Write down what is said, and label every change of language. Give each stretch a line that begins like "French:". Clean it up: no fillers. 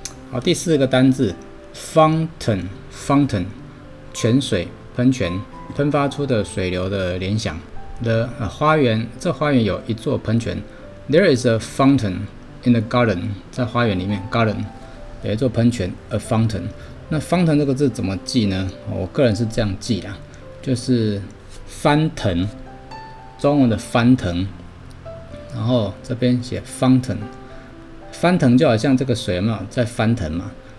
Chinese: 好，第四个单字 fountain 泉水喷泉喷发出的水流的联想 花园，这花园有一座喷泉。
English: There is a fountain in the garden，
Chinese: 在花园里面
English: garden
Chinese: 有一座喷泉
English: a fountain。
Chinese: 那 fountain 这个字怎么记呢？我个人是这样记啦，就是翻腾，中文的翻腾，然后这边写 fountain， 翻腾就好像这个水有没有在翻腾嘛。